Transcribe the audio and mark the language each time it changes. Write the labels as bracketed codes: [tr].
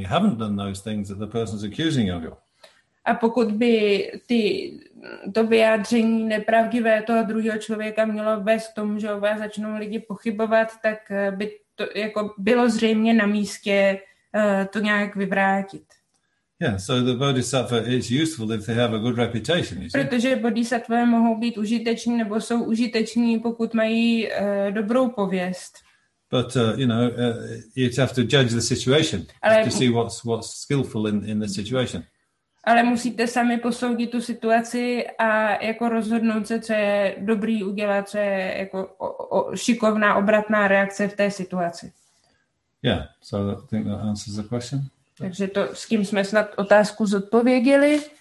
[en] You haven't done those things that the person's accusing you of. [cs] A pokud by to vyjádření nepravdivé toho druhého člověka mělo vést k tomu, že o vás začnou lidi pochybovat, tak by to jako bylo zřejmě na místě to nějak vyvrátit. [en] Yeah, so the bodhisattva is useful if they have a good reputation, isn't it? [cs] Protože bodhisattva mohou být užiteční nebo jsou užiteční, pokud mají dobrou pověst. [en] But you know, you have to judge the situation to see what's skillful in the situation. [cs] Ale musíte sami posoudit tu situaci a jako rozhodnout se, co je dobrý udělat, co je jako šikovná obratná reakce v té situaci. [en] Yeah, so I think that answers the question. [cs] Takže to, s kým jsme snad otázku zodpověděli.